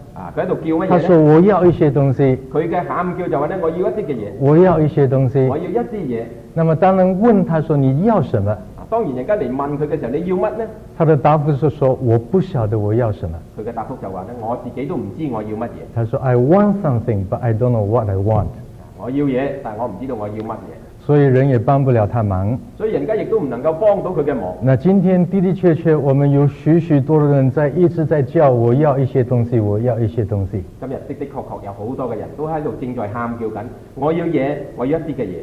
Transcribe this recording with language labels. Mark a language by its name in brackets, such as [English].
[Chinese] 他在叫什么呢？他说我要一些东西，他的喊叫就是我要一些东西，我要一些东西，我要一些东西。那么当人问他说你要什么，当然人家来问他的时候你要什么呢，他的答复是说我不晓得我要什么，他的答复就是我自己都不知道我要什么，他说 [English] I want something but I don't know what I want， [Chinese] 我要东西但我不知道我要什么，所以人也帮不了他忙，所以人家也都不能够帮到他的忙。那今天的的确确我们有许许多的人在一直在叫我要一些东西，我要一些东西，今天的的确确有很多的人都在正在喊叫紧，我要东西，我要一些东西，